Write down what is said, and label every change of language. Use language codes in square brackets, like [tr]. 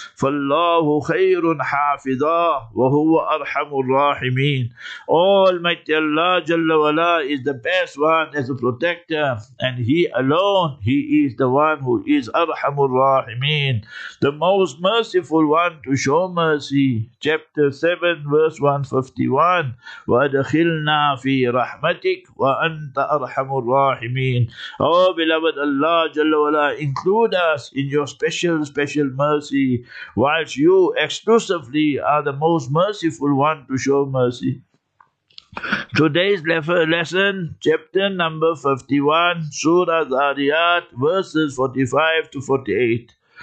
[ar] فَاللَّهُ خَيْرٌ حَافِظًا وَهُوَ أَرْحَمُ الرَّاحِمِينَ. [en] All may Allah Jalla Wala is the best one as a protector, and he alone, he is the one who is Arhamur Rahimeen, the most merciful one to show mercy. [ar] Chapter 7, verse 151, وَأَدْخِلْنَا فِي رَحْمَتِكَ وَأَنْتَ أَرْحَمُ الرَّاحِمِينَ. [en] Oh beloved Allah Jalla Wala, include us in your special mercy, whilst you exclusively are the most merciful one to show mercy. Today's lesson, chapter number 51, Surah Zariyat, verses 45 to 48.